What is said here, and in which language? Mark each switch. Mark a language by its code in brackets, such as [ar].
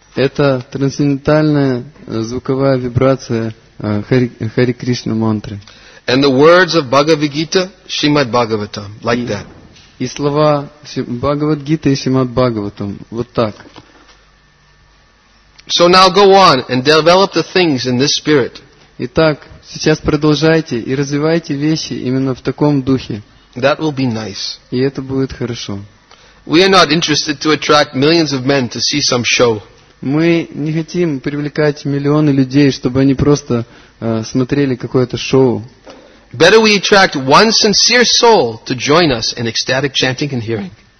[ru] Это трансцендентальная звуковая вибрация Хари Кришна мантры. [en] And the words of Bhagavad Gita, Shrimad Bhagavatam, like that. [ru] И слова Бхагавад Гиты и Шримад Бхагаватам вот так. [en] So now go on and develop the things in this spirit. [ru] Итак, сейчас продолжайте и развивайте вещи именно в таком духе. [en] That will be nice. [ru] И это будет хорошо. [en] We are not interested to attract millions of men to see some show. [ru] Мы не хотим привлекать миллионы людей, чтобы они просто смотрели какое-то шоу. [en] Better we attract one sincere soul to join us in ecstatic chanting and hearing.